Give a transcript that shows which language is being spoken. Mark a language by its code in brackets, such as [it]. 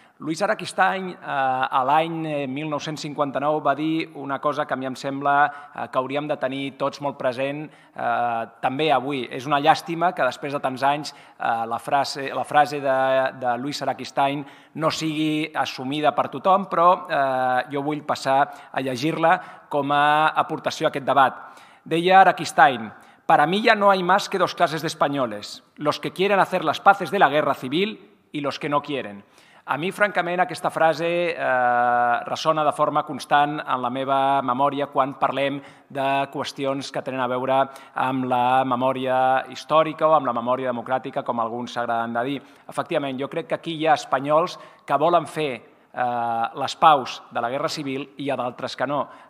[ca] Luis Araquistáin, a l'any 1959, va dir una cosa que a mi em sembla que hauríem de tenir tots molt present també avui. És una llàstima que després de tants anys la frase de Luis Araquistáin no sigui assumida per tothom, però jo vull passar a llegir-la com a aportació a aquest debat. [es] Deia Araquistáin: "Para mí ya no hay más que dos clases de españoles, los que quieren hacer las paces de la guerra civil y los que no quieren". [ca] A mi, francament, aquesta frase ressona de forma constant en la meva memòria quan parlem de qüestions que tenen a veure amb la memòria històrica o amb la memòria democràtica, com alguns s'agraden de dir. Efectivament, jo crec que aquí hi ha espanyols que volen fer les paus de la Guerra Civil i hi ha d'altres que no.